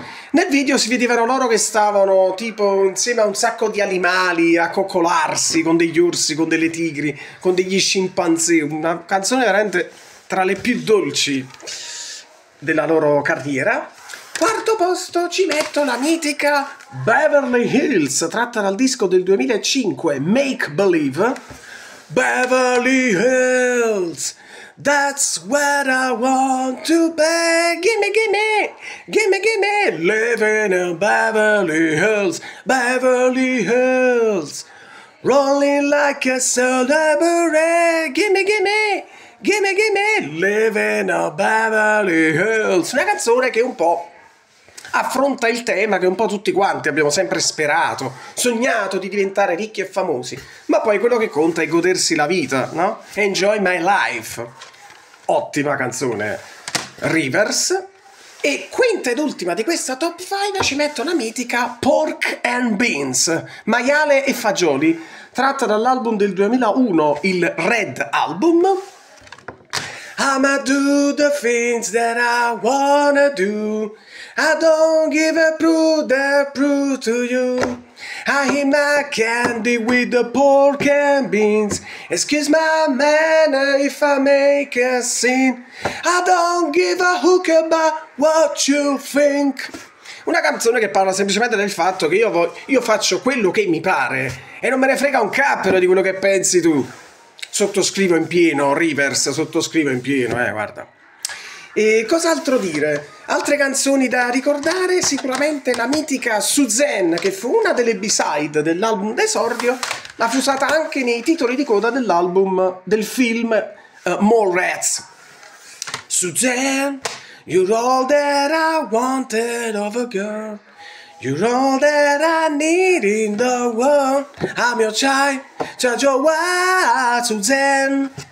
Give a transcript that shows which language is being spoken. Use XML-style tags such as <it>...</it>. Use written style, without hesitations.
<it>Nel video si vedevano loro che stavano tipo insieme a un sacco di animali a coccolarsi con degli orsi, con delle tigri, con degli scimpanzé. Una canzone veramente tra le più dolci della loro carriera. Quarto posto ci metto la mitica Beverly Hills, tratta dal disco del 2005, Make Believe.</it> <en>Beverly Hills, that's what I want to be. Gimme, living in Beverly Hills, Beverly Hills, rolling like a celebrity. Gimme, living in Beverly Hills.</en> <it>Una canzone che un po' affronta il tema che un po' tutti quanti abbiamo sempre sperato, sognato di diventare ricchi e famosi, ma poi quello che conta è godersi la vita, no?</it> <en>Enjoy my life.</en> <it>Ottima canzone, Rivers. E quinta ed ultima di questa top 5 ci metto la mitica Pork and Beans, maiale e fagioli, tratta dall'album del 2001, il Red Album.</it> <en>I'ma do the things that I wanna do, I don't give a prude to you, I eat my candy with the pork and beans, excuse my manner if I make a scene, I don't give a hook about what you think.</en> <it>Una canzone che parla semplicemente del fatto che io faccio quello che mi pare e non me ne frega un cappero di quello che pensi tu. Sottoscrivo in pieno, Rivers, sottoscrivo in pieno, guarda. E cos'altro dire? Altre canzoni da ricordare, sicuramente la mitica Suzanne, che fu una delle B-side dell'album d'esordio, ma fu usata anche nei titoli di coda dell'album, del film Mallrats.</it> <en>Suzanne, you're all that I wanted of a girl, you're all that I need in the world, I'm your child, child your wife, Suzanne.</en>